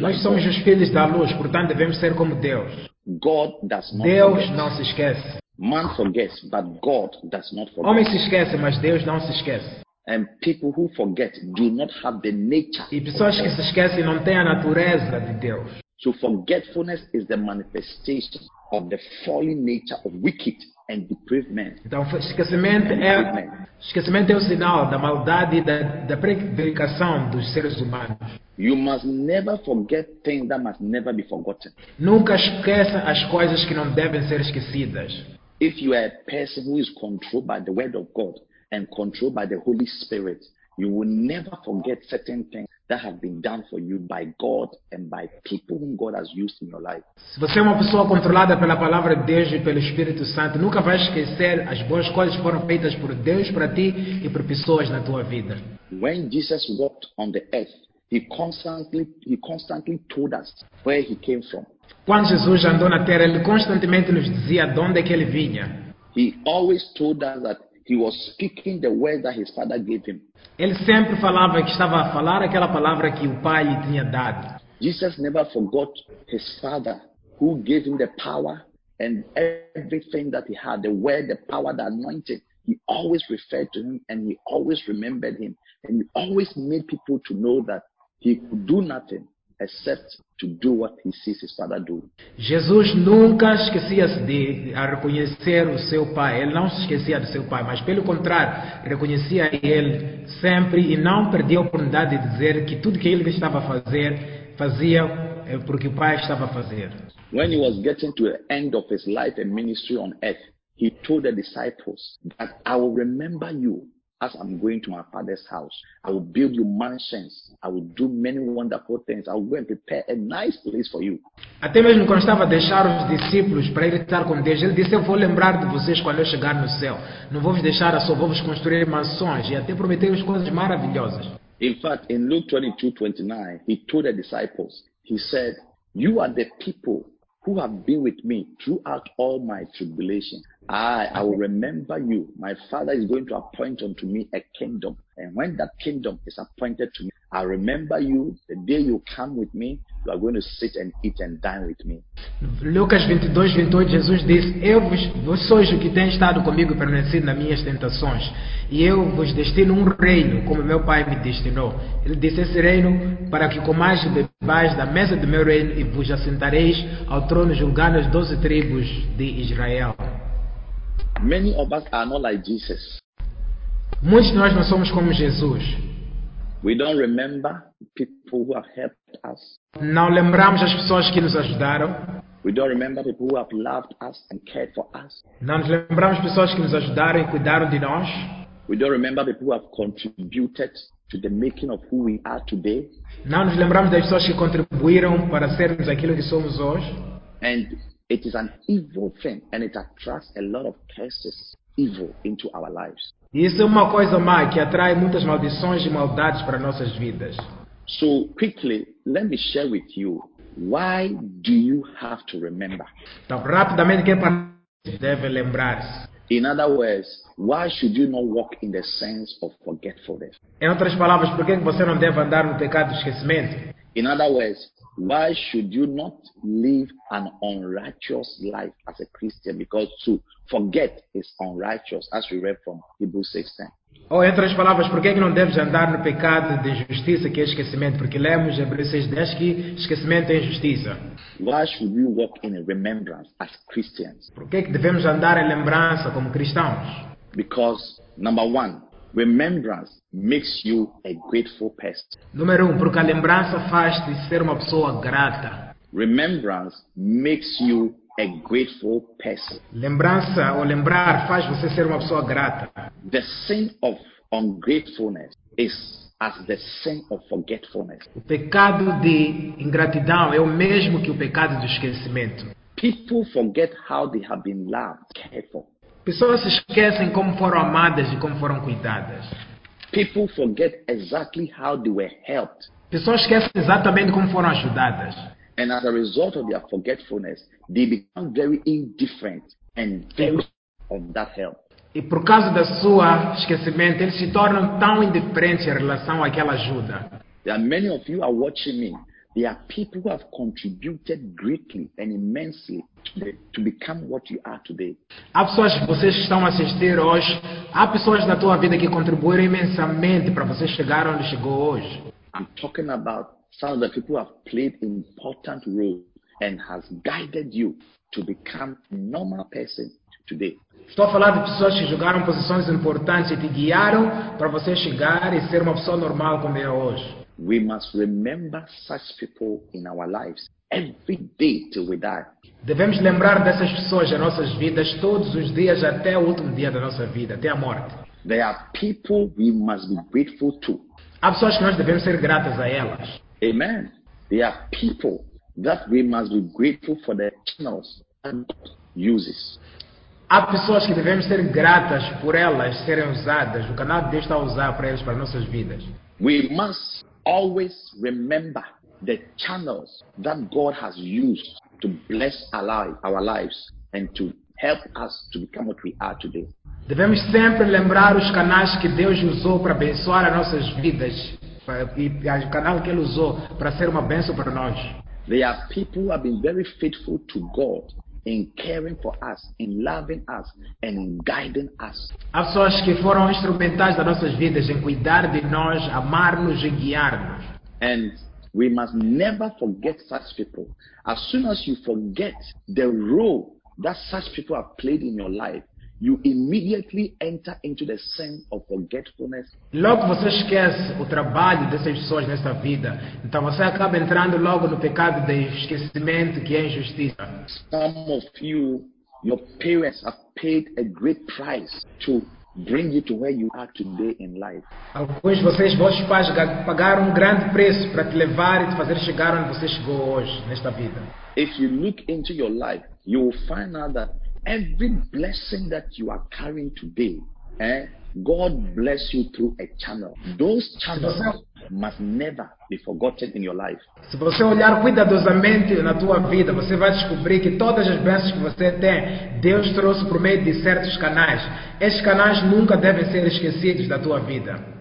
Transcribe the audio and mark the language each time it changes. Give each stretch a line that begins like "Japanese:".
Portuguese: Nós somos os filhos da luz, portanto devemos ser como Deus.
English: God does not
Portuguese: Deus
English: forget.
Portuguese: Não se esquece.
English: Man forgets, but God does not forget.
Portuguese: Homem se esquece, mas Deus não se esquece.
English: And people who forget do not have the nature.
Portuguese: E pessoas que se esquecem não têm a natureza de Deus.
English: So forgetfulness is the manifestation of the fallen nature of wicked and depraved men.
Portuguese: Então, esquecimento é o sinal da maldade e da prevaricação dos seres humanos.
English: You must never forget things that must never be forgotten.
Portuguese: Nunca esqueça as coisas que não devem ser esquecidas.
English: If you are a person who is controlled by the word of God and controlled by the Holy Spirit, you will never forget certain things that have been done for you by God and by people whom God has used in your life.
Portuguese: Se você é uma pessoa controlada pela palavra de Deus e pelo Espírito Santo, nunca vai esquecer as boas coisas que foram feitas por Deus para ti e por pessoas na tua vida.
English: When Jesus walked on the earth, he constantly told us where he came from.
Portuguese: Quando Jesus andou na terra, ele constantemente nos dizia de onde é que ele vinha.
English: He always told us that he was speaking the word that his father gave him.
Portuguese: Ele sempre falava que estava a falar aquela palavra que o pai lhe tinha dado.
English: Jesus never forgot his father who gave him the power and everything that he had, the word, the power, the anointing. He always referred to him and he always remembered him and he always made people to know that he could do nothing except to do what he sees his father do.
Portuguese: Jesus nunca esquecia-se de reconhecer o seu pai. Ele não se esquecia do seu pai, mas pelo contrário, reconhecia ele sempre e não perdia a oportunidade de dizer que tudo que ele estava a fazer, fazia porque o pai estava a fazer.
English: When he was getting to the end of his life and ministry on earth, he told the disciples that I will remember you as I'm going to my father's house. I will build you mansions. I will do many wonderful things. I will go and prepare a nice place for you.
Portuguese: Até mesmo quando estava a deixar os discípulos para ir estar com Deus, ele disse, eu vou lembrar de vocês quando eu chegar no céu. Não vou vos deixar, só vou vos construir mansões e até prometer-vos coisas maravilhosas.
English: In fact, in Luke 22:29, he told the disciples, he said, you are the people who have been with me throughout all my tribulation. I will remember you. My Father is going to appoint unto me a kingdom. And when that kingdom is appointed to me, I remember you. The day you come with me, you are going to sit and eat and dine with me.
Portuguese: Lucas 22, 28, Jesus diz: Eu vos sois o que tem estado comigo permanecido nas minhas tentações. E eu vos destino um reino, como meu Pai me destinou. Ele disse: Esse reino, para que comais e bebais da mesa do meu reino, e vos assentareis ao trono julgando as 12 tribos de Israel.
English: Many of us are not like Jesus.
Portuguese: Muitos de nós não somos como Jesus.
English: We don't remember people who have helped us.
Portuguese: Não lembramos as pessoas que nos ajudaram.
English: We don't remember people who have loved us and cared for us.
Portuguese: Não nos lembramos pessoas que nos ajudaram e cuidaram de nós.
English: We don't remember people who have contributed to the making of who we are today.
Portuguese: Não nos lembramos das pessoas que contribuíram para sermos aquilo que somos hoje.
English: And it is an evil thing, and it attracts a lot of curses, evil, into our lives.
Portuguese: Isso é uma coisa má que atrai muitas maldições e maldades para nossas vidas.
English: So quickly, let me share with you, why do you have to remember?
Portuguese: Então, rapidamente, quem deve lembrar-se?
English: In other words, why should you not walk in the sense of forgetfulness?
Portuguese: Em outras palavras, por que você não deve andar no pecado do esquecimento?
English: In other words, why should you not live an unrighteous life as a Christian? Because to forget is unrighteous, as we read from Hebrews 6:10.
Portuguese: Oh, entre as palavras, por que não deves andar no pecado de injustiça, que é esquecimento? Porque lemos em Hebreus 6:10 que esquecimento é injustiça.
English: Why should we walk in remembrance as Christians?
Portuguese: Por que devemos andar em lembrança como cristãos?
English: Because number one, remembrance makes you a grateful person.
Portuguese: Número um, porque a lembrança faz-te ser uma pessoa grata.
English: Remembrance makes you a grateful person.
Portuguese: Lembrança ou lembrar faz você ser uma pessoa grata.
English: The sin of ungratefulness is as the sin of forgetfulness.
Portuguese: O pecado de ingratidão é o mesmo que o pecado de esquecimento.
English: People forget how they have been loved, cared for.
Portuguese: Pessoas esquecem como foram amadas e como foram cuidadas.
English: People forget exactly how they were helped.
Portuguese: Pessoas esquecem exatamente como foram ajudadas.
English: And as a result of their forgetfulness, they become very indifferent and jealous of that help.
Portuguese: E por causa da sua esquecimento, eles se tornam tão indiferentes em relação àquela ajuda.
English: There are many of you are watching me. There are people who have contributed greatly and immensely to become what you are today.
Portuguese: Há pessoas que vocês estão a assistir hoje. Há pessoas na tua vida que contribuíram imensamente para você chegar onde chegou hoje.
English: I'm talking about some of the people who have played important role and has guided you to become a normal person today.
Portuguese: Estou a falar de pessoas que jogaram posições importantes e te guiaram para você chegar e ser uma pessoa normal como é hoje.
English: We must remember such people in our lives every day till we die.
Portuguese: Devemos lembrar dessas pessoas em nossas vidas todos os dias até o último dia da nossa vida, até a morte.
English: There are people we must be grateful to.
Portuguese: Há pessoas que nós devemos ser gratas a elas.
English: Amen. There are people that we must be grateful for the channels and uses.
Portuguese: Há pessoas que devemos ser gratas por elas serem usadas, o canal que Deus está a usar para elas, para nossas vidas.
English: We must always remember the channels that God has used to bless our lives and to help us to become what we are today.
Portuguese: Devemos sempre lembrar os canais que Deus usou para abençoar as nossas vidas e o canal que Ele usou para ser uma bênção para nós.
English: There are people who have been very faithful to God in caring for us, in loving us, and in guiding us.
Portuguese: Há pessoas que foram instrumentais das nossas vidas em cuidar de nós, amar-nos e guiar-nos.
English: And we must never forget such people. As soon as you forget the role that such people have played in your life, you immediately enter into the sin of forgetfulness.
Portuguese: Logo você esquece o trabalho dessas pessoas nesta vida. Então você acaba entrando logo no pecado de esquecimento, que é injustiça.
English: Some of you, your parents have paid a great price to bring you to where you are today in life.
Portuguese: Alguns de vocês, vossos pais, pagaram um grande preço para te levar e te fazer chegar onde você chegou hoje, nesta vida.
English: If you look into your life, you will find out that every blessing that you are carrying today, God bless you through a channel. Those channels must never be forgotten in your life.
Portuguese: Se você olhar cuidadosamente na tua vida, você vai descobrir que todas as bênçãos que você tem, Deus trouxe por meio de certos canais. Esses canais nunca devem ser esquecidos da tua vida.